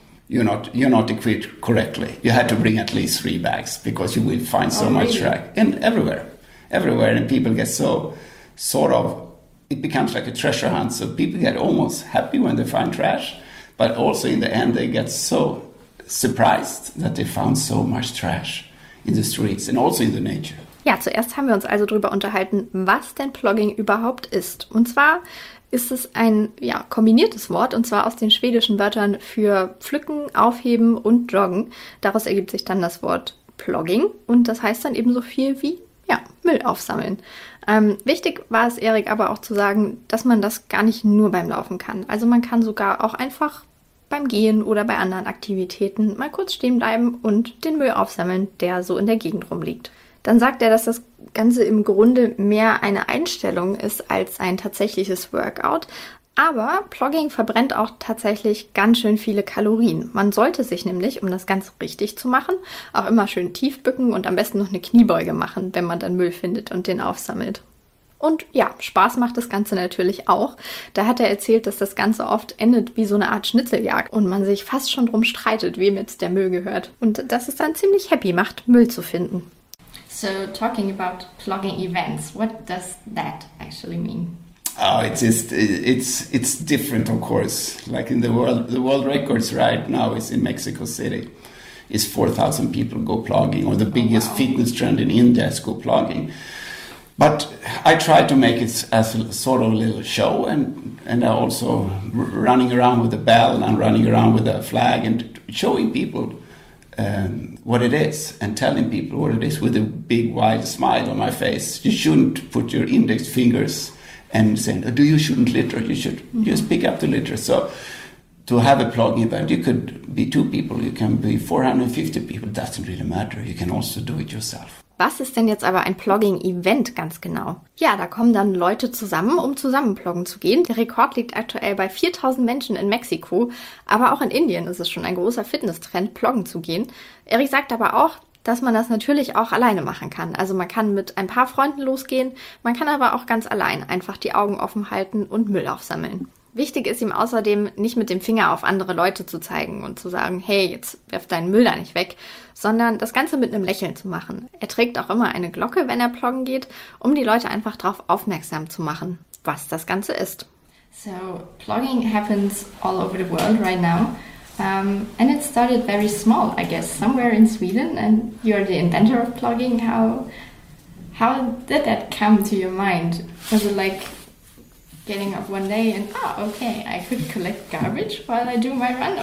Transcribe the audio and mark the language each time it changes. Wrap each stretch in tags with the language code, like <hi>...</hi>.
<en>You're not equipped correctly. You had to bring at least 3 bags because you will find so much trash and everywhere, and people get so sort of, it becomes like a treasure hunt. So people get almost happy when they find trash, but also in the end they get so surprised that they found so much trash in the streets and also in the nature.</en> <de>Ja, zuerst haben wir uns also darüber unterhalten, was denn Plogging überhaupt ist. Und zwar ist es ein kombiniertes Wort, und zwar aus den schwedischen Wörtern für pflücken, aufheben und joggen. Daraus ergibt sich dann das Wort Plogging und das heißt dann eben so viel wie Müll aufsammeln. Wichtig war es Erik aber auch zu sagen, dass man das gar nicht nur beim Laufen kann. Also man kann sogar auch einfach beim Gehen oder bei anderen Aktivitäten mal kurz stehen bleiben und den Müll aufsammeln, der so in der Gegend rumliegt. Dann sagt er, dass das Ganze im Grunde mehr eine Einstellung ist als ein tatsächliches Workout. Aber Plogging verbrennt auch tatsächlich ganz schön viele Kalorien. Man sollte sich nämlich, um das Ganze richtig zu machen, auch immer schön tief bücken und am besten noch eine Kniebeuge machen, wenn man dann Müll findet und den aufsammelt. Und Spaß macht das Ganze natürlich auch. Da hat er erzählt, dass das Ganze oft endet wie so eine Art Schnitzeljagd und man sich fast schon drum streitet, wem jetzt der Müll gehört. Und dass es dann ziemlich happy macht, Müll zu finden.</de> <en>So, talking about plogging events, what does that actually mean? Oh, it's different, of course. Like in the world records right now is in Mexico City. It's 4,000 people go plogging, or the biggest fitness trend in India is go plogging. But I try to make it as a sort of a little show, and I also running around with a bell, and I'm running around with a flag, and showing people what it is and telling people what it is with a big wide smile on my face. You shouldn't put your index fingers and saying, oh, do you shouldn't litter? You should just pick up the litter. So to have a plogging event, you could be two people, you can be 450 people, doesn't really matter. You can also do it yourself.</en> <de>Was ist denn jetzt aber ein Plogging-Event ganz genau? Ja, da kommen dann Leute zusammen, um zusammen ploggen zu gehen. Der Rekord liegt aktuell bei 4000 Menschen in Mexiko. Aber auch in Indien ist es schon ein großer Fitnesstrend, ploggen zu gehen. Erik sagt aber auch, dass man das natürlich auch alleine machen kann. Also man kann mit ein paar Freunden losgehen, man kann aber auch ganz allein einfach die Augen offen halten und Müll aufsammeln. Wichtig ist ihm außerdem, nicht mit dem Finger auf andere Leute zu zeigen und zu sagen, hey, jetzt wirf deinen Müll da nicht weg, sondern das Ganze mit einem Lächeln zu machen. Er trägt auch immer eine Glocke, wenn er ploggen geht, um die Leute einfach darauf aufmerksam zu machen, was das Ganze ist.</de> <en>So, plogging happens all over the world right now. And it started very small, I guess, somewhere in Sweden. And you're the inventor of plogging. How did that come to your mind? Was it like getting up one day and, okay, I could collect garbage while I do my run?</en>